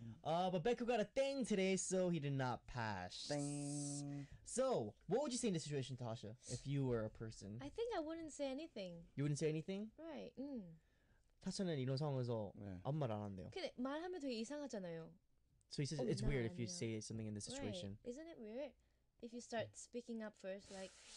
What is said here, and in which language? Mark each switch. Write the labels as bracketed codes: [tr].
[en] But Baekho got a thing today, so he did not pass. Thing. So, what would you say in this situation, Tasha, if you were a person? I think I wouldn't say anything. You wouldn't say anything? Right. [ko] 타샤는 이런 상황에서 네. 아무 말 안 한대요. 근데 말하면 되게 이상하잖아요. [en] So he says, it's weird if you say something in this situation. Right. Isn't it weird if you start speaking up first, like...